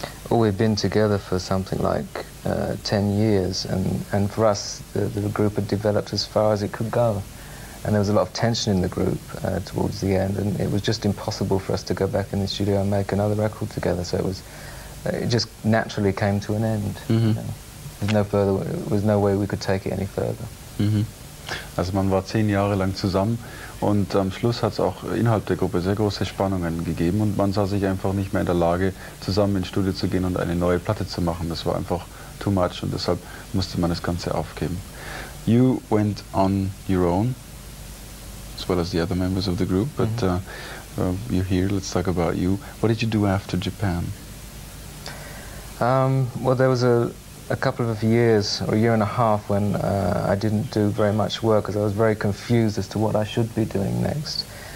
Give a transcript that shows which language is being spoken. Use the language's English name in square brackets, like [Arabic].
[English] Well, we've been together for something like 10 years and for us the group had developed as far as it could go, and there was a lot of tension in the group towards the end, and it was just impossible for us to go back in the studio and make another record together, so it just naturally came to an end. Mm-hmm. You know? There was no way we could take it any further. Mm-hmm. [German] Also man war 10 Jahre lang zusammen und am Schluss hat es auch innerhalb der Gruppe sehr große Spannungen gegeben und man sah sich einfach nicht mehr in der Lage, zusammen ins Studio zu gehen und eine neue Platte zu machen. Das war einfach too much und deshalb musste man das Ganze aufgeben. [English] You went on your own, as well as the other members of the group, but mm-hmm. You're here, let's talk about you. What did you do after Japan? Well, there was a couple of years, or a year and a half, when I didn't do very much work because I was very confused as to what I should be doing next.